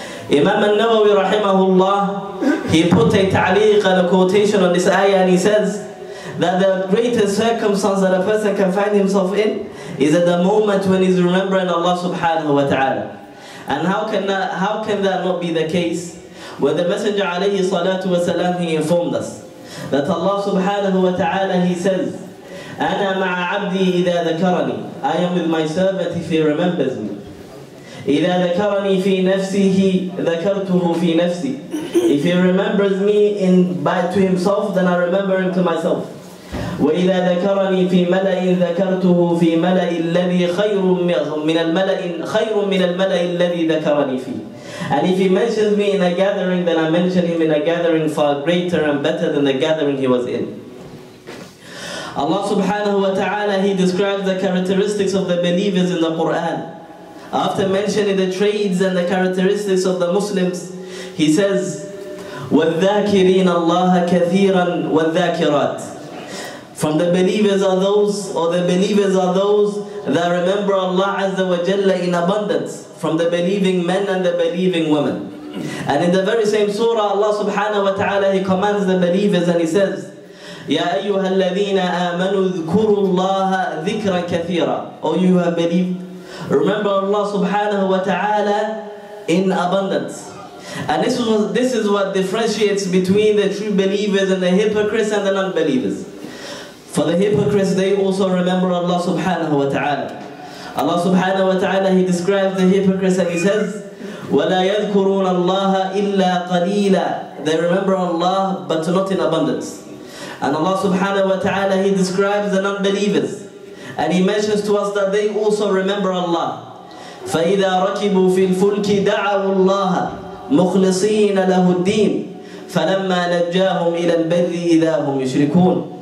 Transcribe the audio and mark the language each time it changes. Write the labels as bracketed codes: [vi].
[en] Imam al-Nawawi rahimahullah, he put a ta'liq and a quotation on this ayah, and he says that the greatest circumstance that a person can find himself in is at the moment when he's remembering Allah subhanahu wa ta'ala. And how can that not be the case? When the Messenger alayhi salatu wa salam, he informed us that Allah subhanahu wa ta'ala, he says, [ar] أنا مع عبدي إذا ذكرني. [en] I am with my servant if he remembers me. [ar] إذا ذكرني في نفسه ذكرته في نفسي. [en] If he remembers me to himself, then I remember him to myself. [ar] وإذا ذكرني في ملأ ذكرته في ملأ الذي خير من الملأ خير من الملأ الذي ذكرني فيه. [en] And if he mentions me in a gathering, then I mention him in a gathering far greater and better than the gathering he was in. Allah subhanahu wa ta'ala, he describes the characteristics of the believers in the Quran. After mentioning the traits and the characteristics of the Muslims, he says, [ar] وَالذَّاكِرِينَ اللَّهَ كَثِيرًا وَالذَّاكِرَاتِ. [en] From the believers are those, or the believers are those that remember Allah Azza wa Jalla in abundance, from the believing men and the believing women. And in the very same surah, Allah subhanahu wa ta'ala, he commands the believers and he says, [ar] يا أيها الذين آمنوا اذكروا الله ذكرا كثيرا. [en] Oh, you have believed, remember Allah subhanahu wa ta'ala in abundance. And this is what differentiates between the true believers and the hypocrites and the non-believers. For the hypocrites, they also remember Allah subhanahu wa ta'ala. Allah subhanahu wa ta'ala, he describes the hypocrites and he says, [ar] ولا يذكرون الله إلا قليلا. [en] They remember Allah but not in abundance. And Allah subhanahu wa ta'ala, He describes the non-believers. And He mentions to us that they also remember Allah. [ar] فَإِذَا رَكِبُوا فِي الْفُلْكِ دَعَوُوا اللَّهَ مُخْلِصِينَ لَهُ الدِّينَ فَلَمَّا نَجَّاهُمْ إِلَى الْبَرِّ إِذَا هُمْ يُشْرِكُونَ.